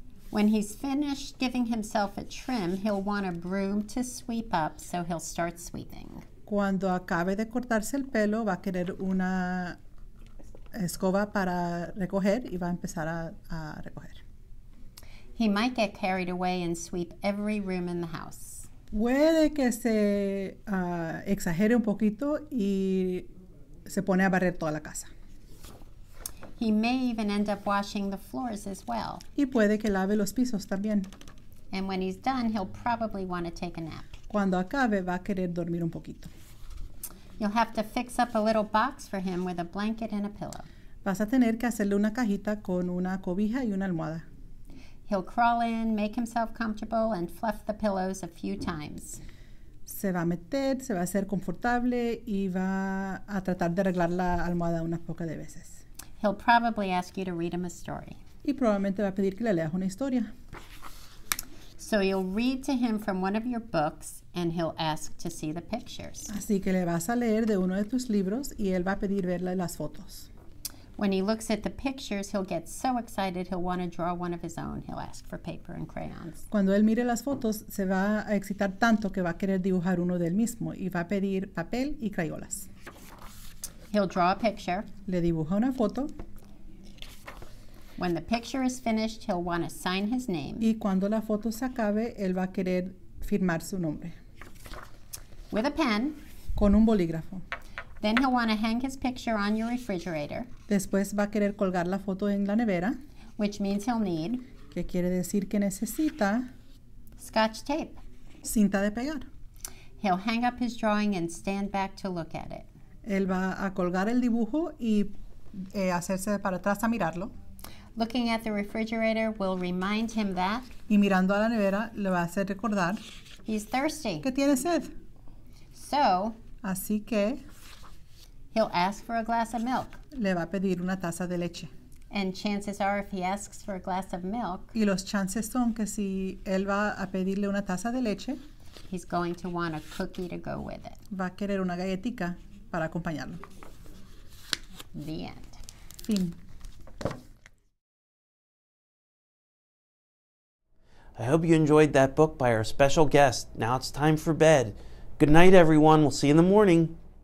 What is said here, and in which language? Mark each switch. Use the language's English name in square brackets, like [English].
[English] When he's finished giving himself a trim, he'll want a broom to sweep up, so he'll start sweeping. [Spanish] Cuando acabe de cortarse el pelo, va a querer una escoba para recoger y va a empezar a recoger. [English] He might get carried away and sweep every room in the house. [Spanish] Puede que se exagere un poquito y se pone a barrer toda la casa. [English] He may even end up washing the floors as well. [Spanish] Y puede que lave los pisos también. [English] And when he's done, he'll probably want to take a nap. [Spanish] Cuando acabe, va a querer dormir un poquito. [English] You'll have to fix up a little box for him with a blanket and a pillow. [Spanish] Vas a tener que hacerle una cajita con una cobija y una almohada. [English] He'll crawl in, make himself comfortable, and fluff the pillows a few times. [Spanish] Se va a meter, se va a hacer confortable, y va a tratar de arreglar la almohada unas pocas de veces. [English] He'll probably ask you to read him a story. [Spanish] Y probablemente va a pedir que le leas una historia. [English] So you'll read to him from one of your books, and he'll ask to see the pictures. [Spanish] Así que le vas a leer de uno de tus libros, y él va a pedir ver las fotos. [English] When he looks at the pictures, he'll get so excited he'll want to draw one of his own. He'll ask for paper and crayons. [Spanish] Cuando él mire las fotos, se va a excitar tanto que va a querer dibujar uno del mismo y va a pedir papel y crayolas. [English] He'll draw a picture. [Spanish] Le dibuja una foto. [English] When the picture is finished, he'll want to sign his name. [Spanish] Y cuando la foto se acabe, él va a querer firmar su nombre. [English] With a pen. [Spanish] Con un bolígrafo. [English] Then he'll want to hang his picture on your refrigerator. [Spanish] Después va a querer colgar la foto en la nevera. [English] Which means he'll need. [Spanish] Que quiere decir que necesita. [English] Scotch tape. [Spanish] Cinta de pegar. [English] He'll hang up his drawing and stand back to look at it. [Spanish] Él va a colgar el dibujo y hacerse para atrás a mirarlo. [English] Looking at the refrigerator will remind him that. [Spanish] Y mirando a la nevera le va a hacer recordar. [English] He's thirsty. [Spanish] Que tiene sed. [English] So. [Spanish] Así que. [English] He'll ask for a glass of milk. [Spanish] Le va a pedir una taza de leche. [English] And chances are if he asks for a glass of milk. [Spanish] Y los chances son que si él va a pedirle una taza de leche. [English] He's going to want a cookie to go with it. [Spanish] Va a querer una galletica para acompañarlo. [English] The end. [Spanish] Fin. [English] I hope you enjoyed that book by our special guest. Now it's time for bed. Good night, everyone. We'll see you in the morning.